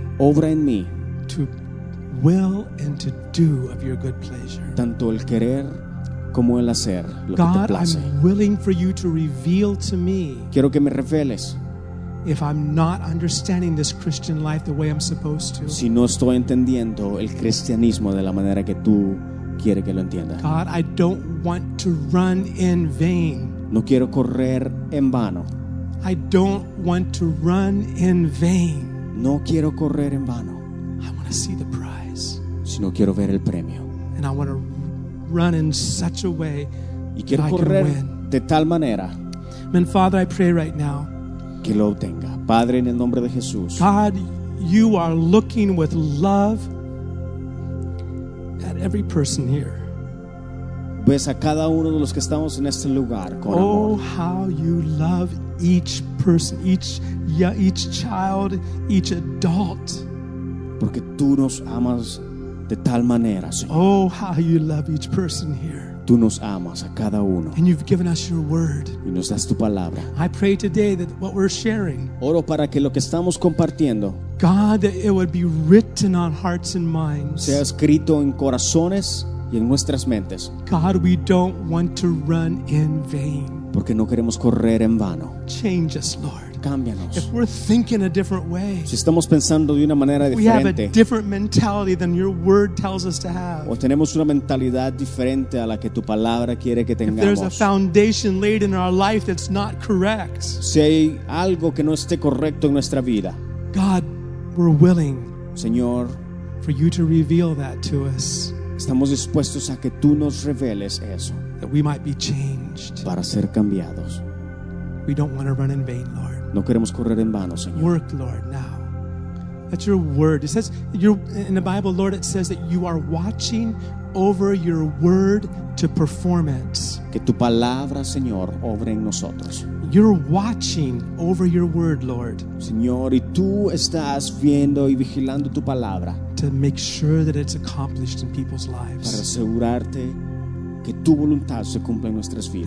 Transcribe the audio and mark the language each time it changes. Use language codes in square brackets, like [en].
[es] Obra en mí. [en] To will and to do of your good pleasure. [es] Tanto el querer como el hacer lo [en] God, [es] que te place. [en] God, I'm willing for you to reveal to me. [es] Quiero que me reveles. [en] If I'm not understanding this Christian life the way I'm supposed to. [es] Si no estoy entendiendo el cristianismo de la manera que tú quieres que lo entienda. [en] God, I don't want to run in vain. [es] No quiero correr en vano. [en] I don't want to run in vain. [es] No quiero correr en vano. [en] I want to see the prize. [es] Sino quiero ver el premio. [en] And I want to run in such a way [es] y quiero [en] that [es] correr [en] I can win. [es] De tal manera. [en] And Father, I pray right now. [es] Que lo obtenga. Padre, en el nombre de Jesús. [en] God, you are looking with love at every person here. [es] Ves a cada uno de los que estamos en este lugar con oh, [en] Oh, how you love each person, each child, each adult. [es] Porque tú nos amas de tal manera, Señor. [en] Oh, how you love each person here. [es] Tú nos amas a cada uno. [en] And you've given us your word. [es] Y nos das tu palabra. [en] I pray today that what we're sharing. [es] Oro para que lo que estamos compartiendo. [en] God, that it would be written on hearts and minds. [es] Sea escrito en corazones y en nuestras mentes. [en] God, we don't want to run in vain. [es] Porque no queremos correr en vano. [en] Change us, Lord. [es] Cámbianos. [en] If we're thinking a different way, [es] si estamos pensando de una manera diferente, [en] we have a different mentality than your word tells us to have. [es] O tenemos una mentalidad diferente a la que tu palabra quiere que tengamos. [en] If there's a foundation laid in our life that's not correct, [es] si hay algo que no esté correcto en nuestra vida, [en] God, we're willing, [es] Señor, [en] for you to reveal that to us. [es] Estamos dispuestos a que tú nos reveles eso. [en] That we might be changed. [es] Para ser cambiados. [en] We don't want to run in vain, Lord. [es] No queremos correr en vano, Señor. [en] Work, Lord, now. That's your word. It says in the Bible, Lord, it says that you are watching over your word to perform it. [es] Que tu palabra, Señor, obre en nosotros. [en] You're watching over your word, Lord. [es] Señor, y tú estás viendo y vigilando tu palabra. [en] To make sure that it's accomplished in people's lives. [es] Para asegurarte que tu voluntad se cumpla en nuestras vidas.